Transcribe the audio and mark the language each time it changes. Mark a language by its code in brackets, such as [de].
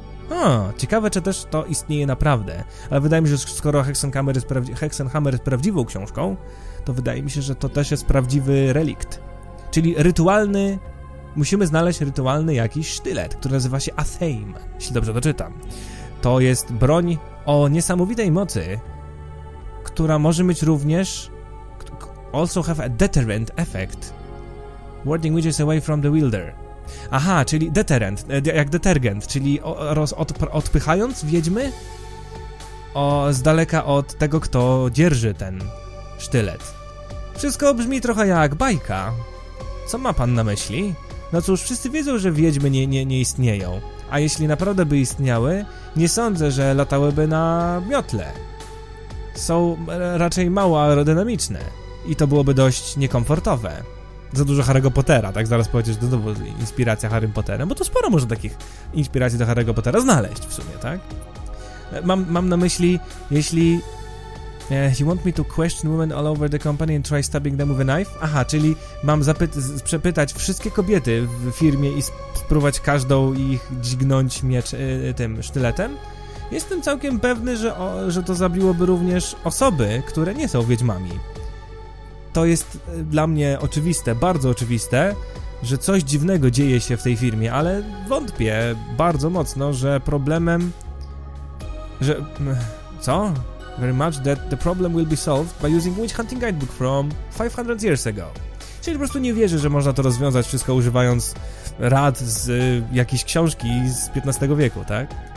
[pl] A, ciekawe, czy też to istnieje naprawdę. Ale wydaje mi się, że skoro Hexenhammer jest prawdziwą książką, to wydaje mi się, że to też jest prawdziwy relikt. Czyli rytualny... Musimy znaleźć rytualny jakiś sztylet, który nazywa się Atheim, jeśli dobrze doczytam. To jest broń o niesamowitej mocy, która może mieć również... [en] Also have a deterrent effect. Warding witches away from the wielder. [pl] Aha, czyli deterrent, jak detergent, czyli odpychając wiedźmy z daleka od tego, kto dzierży ten sztylet. Wszystko brzmi trochę jak bajka. Co ma pan na myśli? No cóż, wszyscy wiedzą, że wiedźmy nie istnieją. A jeśli naprawdę by istniały, nie sądzę, że latałyby na miotle. Są raczej mało aerodynamiczne. I to byłoby dość niekomfortowe. Za dużo Harry'ego Pottera, tak? Zaraz powiedziesz, że to była inspiracja Harry'em Potterem, bo to sporo może takich inspiracji do Harry'ego Pottera znaleźć w sumie, tak? Mam na myśli, jeśli... [en] You want me to question women all over the company and try stabbing them with a knife? [pl] Aha, czyli mam przepytać wszystkie kobiety w firmie i spróbować każdą ich dźgnąć miecz tym sztyletem? Jestem całkiem pewny, że to zabiłoby również osoby, które nie są wiedźmami. To jest dla mnie oczywiste, bardzo oczywiste, że coś dziwnego dzieje się w tej firmie, ale wątpię bardzo mocno, że problemem... Że... Co? [en] Very much that the problem will be solved by using witch hunting guidebook from 500 years ago. [pl] Czyli po prostu nie wierzę, że można to rozwiązać wszystko używając rad z jakiejś książki z XV wieku, tak?